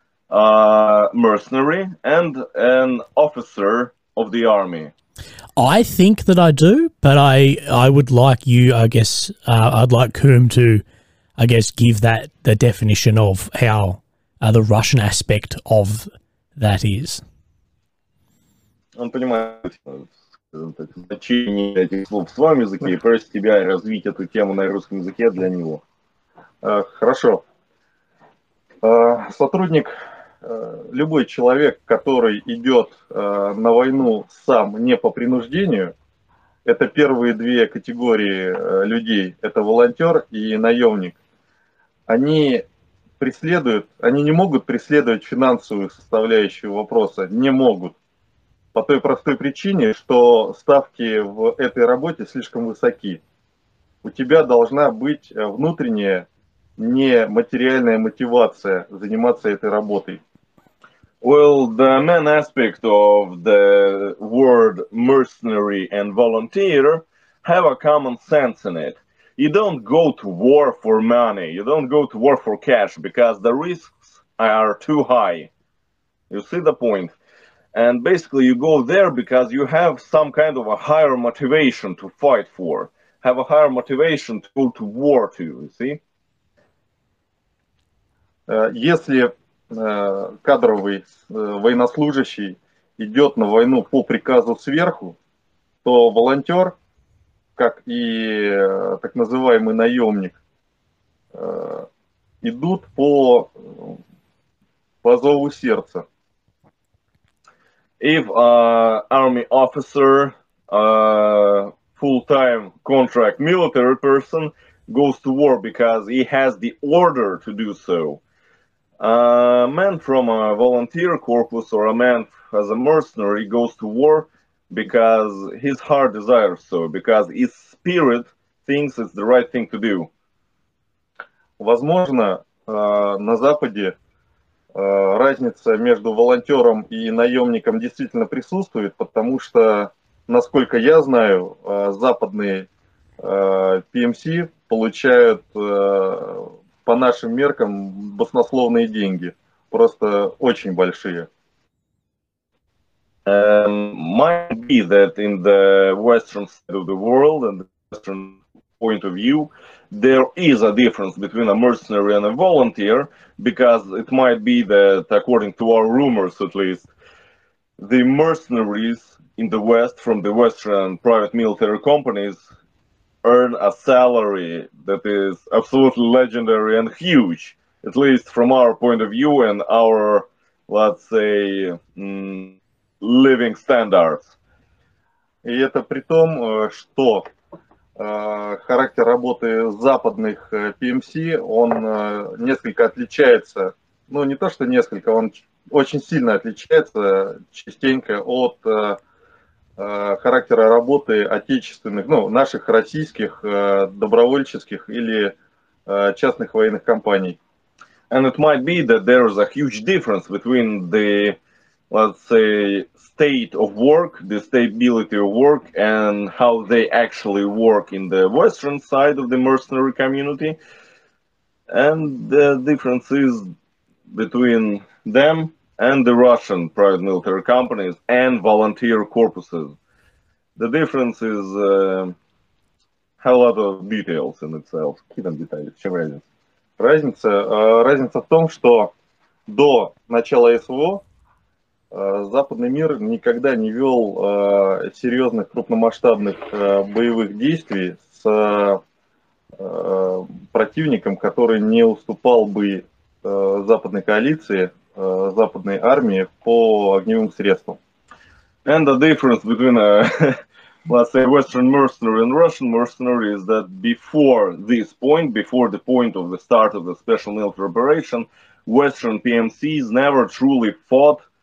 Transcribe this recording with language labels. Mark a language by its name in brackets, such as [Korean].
[English] A mercenary and an officer of the army. I think that I do, but I would like you, I guess, I'd like Coombe to, I guess, give that the definition of how the Russian aspect of that is. [Russian] Он понимает, значение этих слов в своем языке и просит тебя развить эту тему на русском языке для него. Хорошо. Сотрудник. Любой человек, который идет на войну сам, не по принуждению, это первые две категории людей, это волонтер и наемник, они не могут преследовать финансовую составляющую вопроса, не могут. По той простой причине, что ставки в этой работе слишком высоки. у тебя должна быть внутренняя нематериальная мотивация заниматься этой работой. [English] Well, the main aspect of the word mercenary and volunteer have a common sense in it. You don't go to war for money, you don't go to war for cash, because the risks are too high. You see the point? And basically you go there because you have some kind of a higher motivation to fight for, have a higher motivation to go to war to, you see? [Russian] Если кадровый военнослужащий идет на войну по приказу сверху, то волонтер, как и так называемый наемник, идут по зову сердца. [English] If an army officer, a full-time contract military person, goes to war because he has the order to do so, a man from a volunteer corps or a man as a mercenary goes to war because his heart desires so, because his spirit thinks it's the right thing to do. [Russian] Возможно, на Западе разница между волонтером и наемником действительно присутствует, потому что, насколько я знаю, западные PMC получают по нашим меркам баснословные деньги, просто очень большие. [English] Might be that in the western side of the world and the western point of view, there is a difference between a mercenary and a volunteer, because it might be that, according to our rumors at least, the mercenaries in the West from the Western private military companies earn a salary that is absolutely legendary and huge, at least from our point of view and our, let's say, living standards. [Russian] И это при том, что характер работы западных PMC, он несколько отличается, ну не то что несколько, он очень сильно отличается частенько от характера работы отечественных, ну наших российских добровольческих или частных военных компаний. [English] And it might be that there is a huge difference between the, let's say, state of work, the stability of work, and how they actually work in the western side of the mercenary community. And the difference is between them and the Russian private military companies and volunteer corpuses. The difference is a lot of details in itself. [Russian] Какие там детали? В чем разница? Разница в том, что до начала СВО западный мир никогда не вел серьезных крупномасштабных боевых действий с противником, который не уступал бы западной коалиции, западной армии по огневым средствам. [English] And the difference between a, let's say, Western mercenary and Russian mercenary is that before this point, before the point of the start of the special military operation, Western PMCs never truly fought